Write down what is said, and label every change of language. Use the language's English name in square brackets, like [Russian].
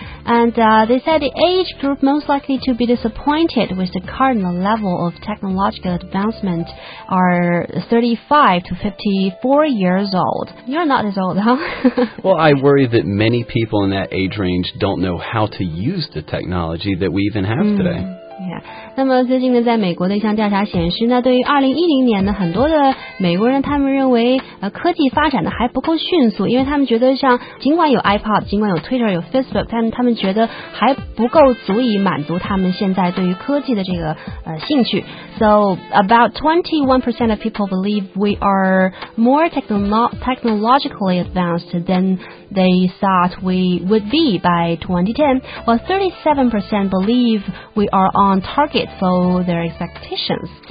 [English] And they said the age group most likely to be disappointed with the current level of technological advancement are 35 to 54 years old. You're not as old, huh? Well, I worry that many people in that age range don't know how to use the technology that we even have today. Yeah. [Chinese] 那么最近呢，在美国的一项调查显示呢，对于2010年呢，很多的美国人他们认为科技发展的还不够迅速，因为他们觉得像尽管有 iPod, 尽管有 Twitter, 有 Facebook, 但他们觉得还不够足以满足他们现在对于科技的这个兴趣。 [English] So about 21% of people believe we are more technologically advanced than they thought we would be by 2010, while 37% believe we are on target for their expectations.